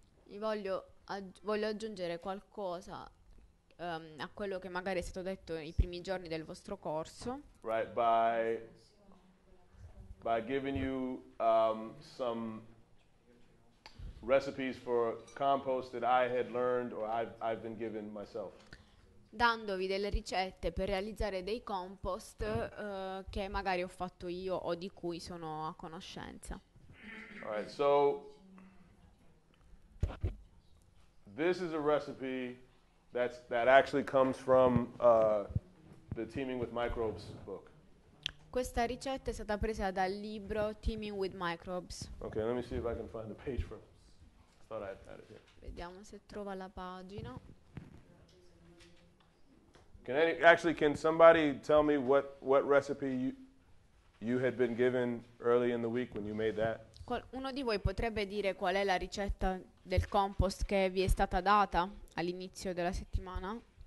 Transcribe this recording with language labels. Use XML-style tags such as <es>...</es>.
<it>Io voglio aggiungere qualcosa a quello che magari è stato detto nei primi giorni del vostro corso.</it> <en>Right, by giving you some recipes for compost that I had learned or I've been given myself.</en> <it>Dandovi delle ricette per realizzare dei compost che magari ho fatto io o di cui sono a conoscenza.</it> <en>All right, so this is a recipe that actually comes from the Teeming with Microbes book.</en> <it>Questa ricetta è stata presa dal libro Teeming with Microbes.</it> <en>Okay, let me see if I can find the page for it. I thought I had it here.</en> <it>Vediamo se trova la pagina.</it> <en>Can somebody tell me what recipe you had been given early in the week when you made that?</en> <it>Uno di voi potrebbe dire qual è la ricetta del compost che vi è stata data all'inizio della settimana?</it>